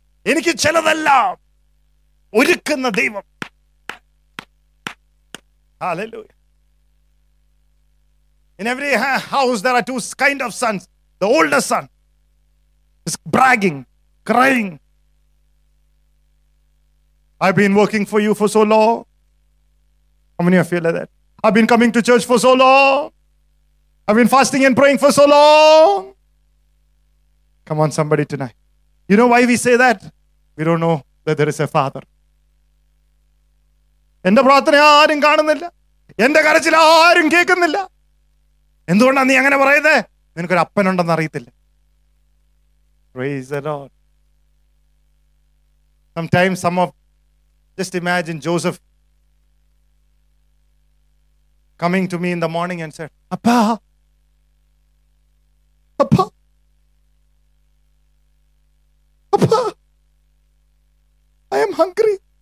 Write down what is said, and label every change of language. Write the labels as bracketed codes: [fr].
[ml] എനിക്ക് ചിലതെല്ലാം ഒരുക്കുന്ന ദൈവം. Hallelujah. [en] In every house there are two kind of sons. The older son is bragging, crying. I've been working for you for so long. How many of you feel like that? I've been coming to church for so long. I've been fasting and praying for so long. Come on, somebody tonight. You know why we say that? We don't know that there is a father. [ml] എന്റെ പ്രാർത്ഥന ആരും കാണുന്നില്ല, എന്റെ കരച്ചിൽ ആരും കേൾക്കുന്നില്ല. എന്തുകൊണ്ടാണ് നീ അങ്ങനെ പറയുന്നത്? നിനക്കൊരു അപ്പനുണ്ടെന്ന് അറിയത്തില്ല. [en] Praise the Lord. Sometimes just imagine Joseph coming to me in the morning and said, Appa, Appa, Appa, I am hungry.